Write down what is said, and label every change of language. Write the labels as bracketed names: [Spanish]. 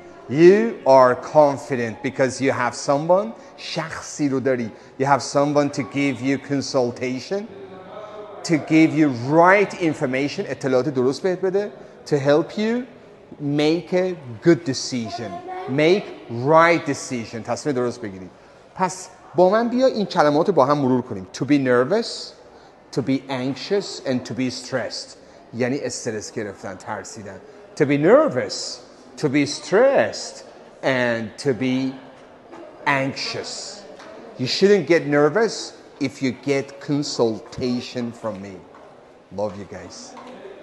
[English] You are confident because you have someone, [Persian] شخصی رو داری. [English] You have someone to give you consultation, to give you right information, [Persian] اطلاعات درست بهت بده, [English] to help you make a good decision, make right decision, [Persian] تصمیم درست بگیری. پس با من بیا این کلمات رو با هم مرور کنیم. [English] To be nervous, to be anxious, and to be stressed. [Persian] یعنی استرس گرفتن, ترسیدن. [English] To be nervous, to be stressed, and to be anxious. You shouldn't get nervous if you get consultation from me. Love you guys.